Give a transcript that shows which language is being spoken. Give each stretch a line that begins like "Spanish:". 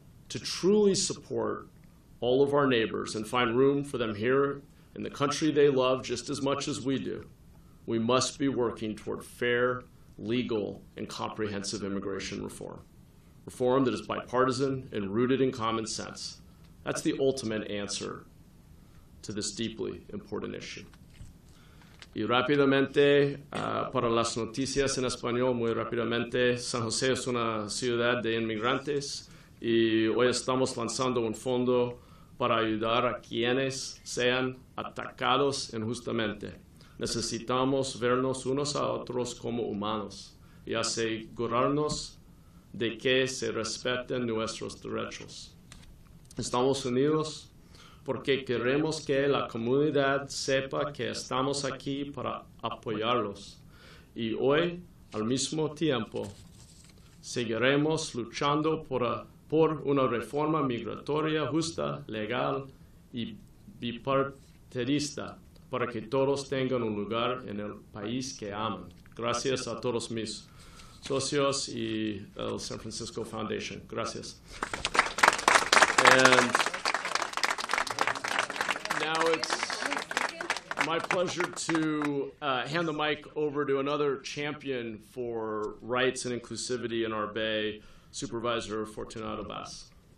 English: To truly support all of our neighbors and find room for them here in the country they love just as much as we do, we must be working toward fair, legal, and comprehensive immigration reform. Reform that is bipartisan and rooted in common sense. That's the ultimate answer to this deeply important issue.
Spanish: Y rápidamente, para las noticias en español, muy rápidamente, San José es una ciudad de inmigrantes y hoy estamos lanzando un fondo para ayudar a quienes sean atacados injustamente. Necesitamos vernos unos a otros como humanos y asegurarnos de que se respeten nuestros derechos. Estamos unidos porque queremos que la comunidad sepa que estamos aquí para apoyarlos. Y hoy, al mismo tiempo, seguiremos luchando por una reforma migratoria justa, legal y bipartidista para que todos tengan un lugar en el país que aman. Gracias a todos mis socios y el San Francisco Foundation. Gracias.
English: And now it's my pleasure to hand the mic over to another champion for rights and inclusivity in our Bay, Supervisor Fortunato Bass.